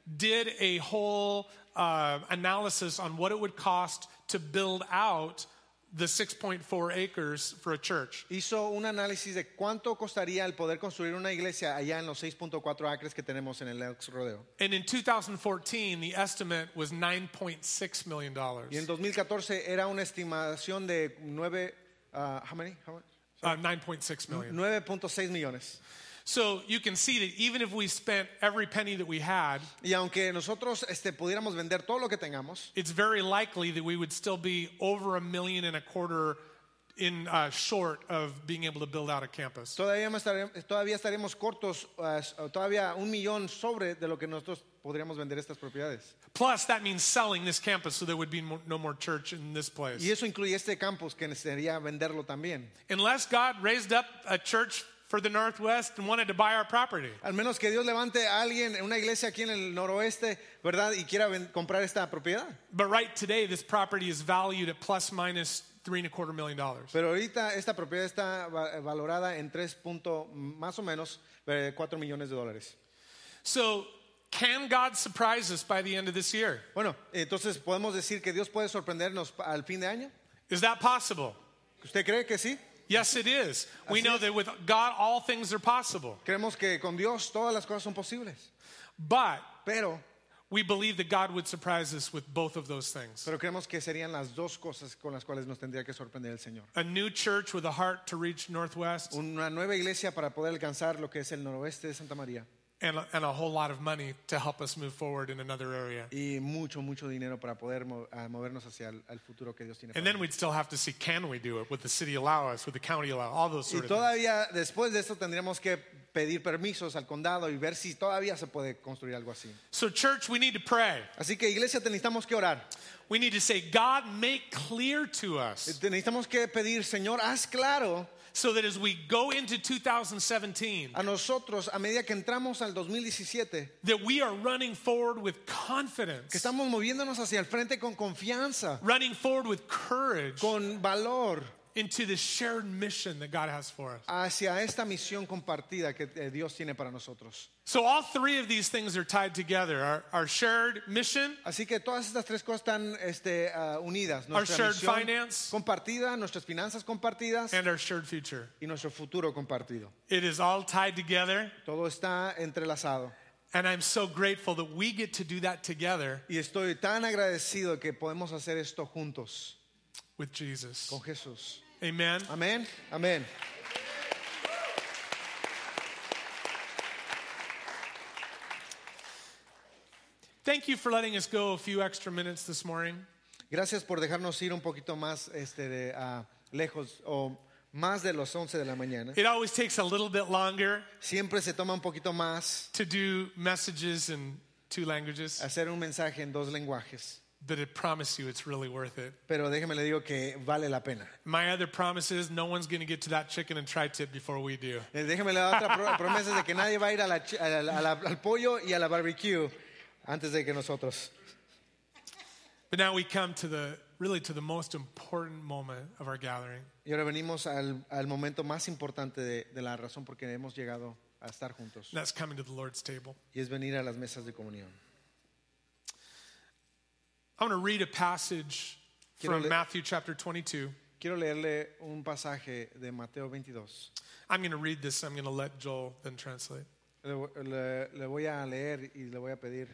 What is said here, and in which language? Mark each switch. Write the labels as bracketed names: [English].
[English] did a whole analysis on what it would cost to build out the 6.4 acres for a church. [Spanish] Hizo un análisis de cuánto costaría el poder construir una iglesia allá en los 6.4 acres que tenemos en el Elks Rodeo. [English] And in 2014, the estimate was $9.6 million. [Spanish] Y en 2014 era una estimación de $9.6 million. 9.6 millones. [English] So you can see that even if we spent every penny that we had, [Spanish] y aunque nosotros pudiéramos vender todo lo que tengamos, [English] it's very likely that we would still be over $1.25 million in short of being able to build out a campus. [Spanish] Todavía estaremos cortos, todavía un millón sobre de lo que nosotros podríamos vender estas propiedades. [English] Plus, that means selling this campus, so there would be no more church in this place. [Spanish] Y eso incluye este campus que necesitaría venderlo también. [English] Unless God raised up a church for the Northwest and wanted to buy our property. [Spanish] Al menos que Dios levante a alguien en una iglesia aquí en el noroeste, ¿verdad? Y quiera comprar esta propiedad. [English] But right today, this property is valued at plus minus $3.25 million. [Spanish] Pero ahorita esta propiedad está valorada en 3. Más o menos 4 millones de dólares. [English] So, can God surprise us by the end of this year? [Spanish] Bueno, entonces podemos decir que Dios puede sorprendernos al fin de año. [English] Is that possible? [Spanish] ¿Usted cree que sí? [English] Yes, it is. We know that with God, all things are possible. [Spanish] Creemos que con Dios todas las cosas son posibles. [English] But, [Spanish] pero, [English] we believe that God would surprise us with both of those things. [Spanish] Pero creemos que serían las dos cosas con las cuales nos tendría que sorprender el Señor. [English] A new church with a heart to reach Northwest. [Spanish] Una nueva iglesia para poder alcanzar lo que es el noroeste de Santa María. [English] And a whole lot of money to help us move forward in another area. [Spanish] Y mucho, mucho dinero para poder movernos hacia el futuro que Dios tiene. [English] And then we'd still have to see, can we do it? Would the city allow us? Would the county allow? All those sort of things. [Spanish] Y todavía después de esto tendríamos que pedir permisos al condado y ver si todavía se puede construir algo así. [English] So church, we need to pray. [Spanish] Así que iglesia, necesitamos que orar. [English] We need to say, God, make clear to us. [Spanish] Necesitamos que pedir, Señor, haz claro. [English] So that as we go into 2017, [Spanish] a nosotros, a medida que entramos al 2017, [English] that we are running forward with confidence, [Spanish] que estamos moviéndonos hacia el frente con confianza, [English] running forward with courage, [Spanish] con valor, [English] into the shared mission that God has for us, [Spanish] hacia esta misión compartida que Dios tiene para nosotros. [English] So all three of these things are tied together: our shared mission, [Spanish] así que todas estas tres cosas están unidas, [English] our shared finance [Spanish] compartida, nuestras finanzas compartidas, [English] and our shared future, [Spanish] y nuestro futuro compartido. [English] It is all tied together. [Spanish] Todo está entrelazado. [English] And I'm so grateful that we get to do that together. [Spanish] Y estoy tan agradecido que podemos hacer esto juntos. [English] With Jesus. [Spanish] Con Jesús. [English] Amen. [Spanish] Amen. Amen. [English] Thank you for letting us go a few extra minutes this morning. [Spanish] Gracias por dejarnos ir un poquito más lejos o más de los 11 de la mañana. [English] It always takes a little bit longer. [Spanish] Siempre se toma un poquito más. [English] To do messages in two languages. [Spanish] Hacer un mensaje en dos lenguajes. [English] But I promise you, it's really worth it. [Spanish] Pero déjeme le digo que vale la pena. [English] My other promise is no one's going to get to that chicken and tri-tip before we do. [Spanish] Déjeme la otra promesa de que nadie va a ir al pollo y a la barbecue antes de que nosotros. [English] But now we come to the most important moment of our gathering. [Spanish] Y ahora venimos al momento más importante de la razón por qué hemos llegado a estar juntos. [English] That's coming to the Lord's table. [Spanish] Y es venir a las mesas de comunión. [English] I want to read a passage from Matthew chapter 22. [Spanish] Quiero leerle un pasaje de Mateo 22. [English] I'm going to read this. I'm going to let Joel then translate. [Spanish] Le voy a leer y le voy a pedir.